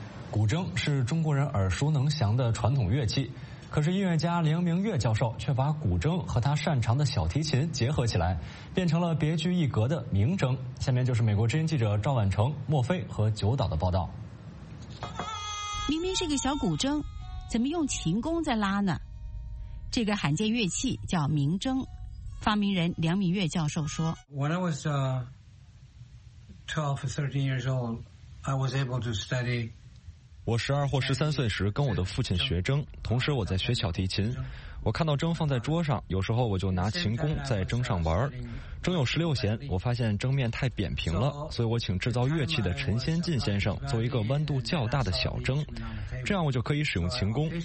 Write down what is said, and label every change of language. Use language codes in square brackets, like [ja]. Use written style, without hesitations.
[zh] 古筝是中国人耳熟能详的传统乐器，可是音乐家林明月教授却把古筝和他擅长的小提琴结合起来，变成了别具一格的名筝。下面就是美国之音记者赵婉成、莫非和九岛的报道。明明是个小古筝，怎么用琴弓在拉呢？这个罕见乐器叫名筝，发明人梁敏月教授说 [en] When I was 12 or 13 years old I was able to study。 [zh] 我12或13岁时跟我的父亲学筝，同时我在学小提琴。我看到筝放在桌上，有时候我就拿琴弓在筝上玩。筝有16弦，我发现筝面太扁平了，所以我请制造乐器的陈先进先生做一个弯度较大的小筝，这样我就可以使用琴弓。